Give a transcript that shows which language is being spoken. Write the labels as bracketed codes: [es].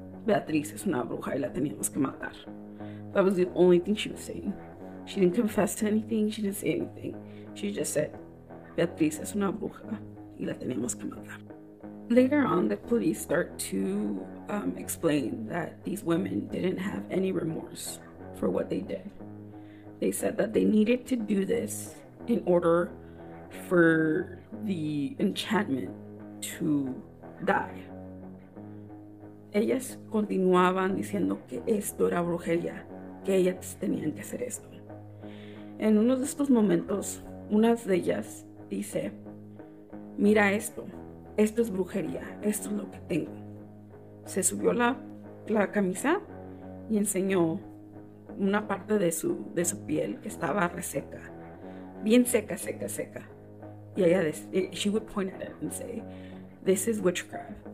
[es] Beatriz es una bruja y la teníamos que matar. [en] That was the only thing she was saying. She didn't confess to anything. She didn't say anything. She just said, [es] Beatriz es una bruja y la teníamos que matar. [en] Later on, the police start to explain that these women didn't have any remorse for what they did. They said that they needed to do this in order for the enchantment to die. [es] Ellas continuaban diciendo que esto era brujería, que ellas tenían que hacer esto. En uno de estos momentos, una de ellas dice, mira esto, esto es brujería, esto es lo que tengo. Se subió la camisa y enseñó una parte de su piel que estaba reseca, bien seca, seca, seca. Y ella, [en] she would point at it and say, this is witchcraft.